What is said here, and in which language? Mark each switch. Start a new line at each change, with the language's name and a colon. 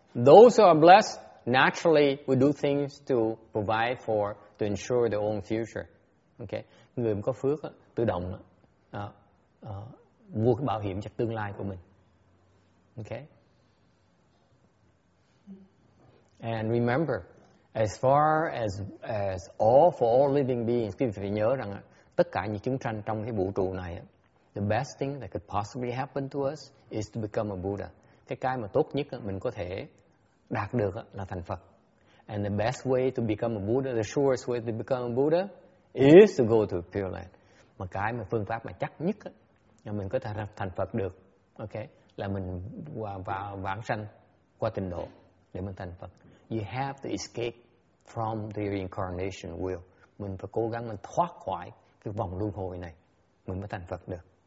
English: Those who are blessed naturally will do things to provide for, to ensure their own future. Okay.
Vietnamese: Người có phước đó, tự động đó, mua cái bảo hiểm cho tương lai của mình.
English: Okay. And remember, for all living beings,
Vietnamese: quý vị phải nhớ rằng tất cả những chúng sanh trong cái vũ trụ này,
English: the best thing that could possibly happen to us is to become a Buddha.
Vietnamese: Cái mà tốt nhất mình có thể đạt được là thành Phật.
English: And the best way to become a Buddha, the surest way to become a Buddha is to go to Pure Land.
Vietnamese: Mà cái mà phương pháp mà chắc nhất là mình có thể thành Phật được, okay, là mình vào vãng sanh qua tịnh độ để mình thành Phật.
English: You have to escape from the reincarnation wheel.
Vietnamese: Mình phải cố gắng mình thoát khỏi cái vòng luân hồi này mình mới thành Phật được.